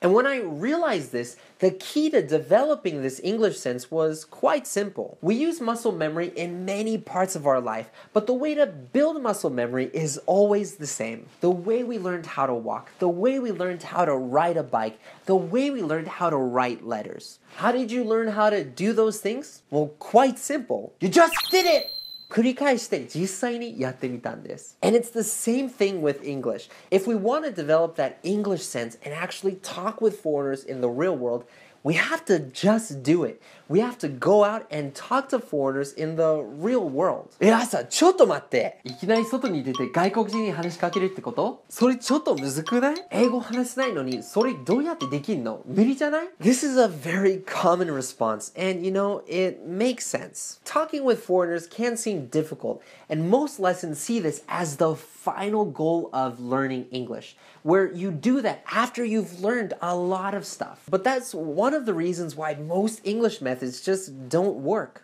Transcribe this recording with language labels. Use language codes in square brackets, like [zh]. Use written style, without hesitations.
[en] And when I realized this, the key to developing this English sense was quite simple. We use muscle memory in many parts of our life, but the way to build muscle memory is always the same. The way we learned how to walk, the way we learned how to ride a bike, the way we learned how to write letters. How did you learn how to do those things? Well, quite simple. You just did it! [ja] 繰り返して実際にやってみたんです。 [en] And it's the same thing with English. If we want to develop that English sense and actually talk with foreigners in the real world, we have to just do it. We have to go out and talk to foreigners in the real world. [ja] いやさ、ちょっと待って。いきなり外に出て外国人に話しかけるってこと? それちょっとむずくない?英語話せないのにそれどうやってできんの? 無理じゃない? [en] This is a very common response, and you know, it makes sense. Talking with foreigners can seem difficult, and most lessons see this as the final goal of learning English, where you do that after you've learned a lot of stuff. But that's one of the reasons why most English methods just don't work.